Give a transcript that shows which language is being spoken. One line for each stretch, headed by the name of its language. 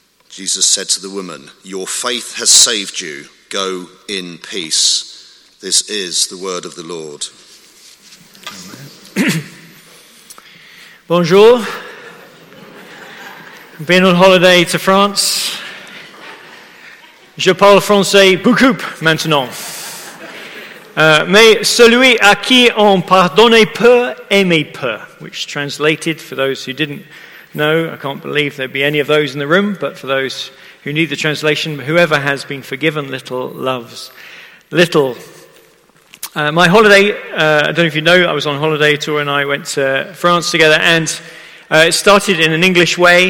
English: Jesus said to the woman, "Your faith has saved you. Go in peace." This is the word of the Lord. Amen.
French: Bonjour.
English: Been on holiday to France.
French: Je parle français beaucoup maintenant. Mais celui à qui on pardonne peu, aime peu.
English: Which translated, for those who didn't know, I can't believe there'd be any of those in the room, but for those who need the translation, whoever has been forgiven little loves little. My holiday, I don't know if you know, I was on holiday, Tour and I went to France together, and it started in an English way.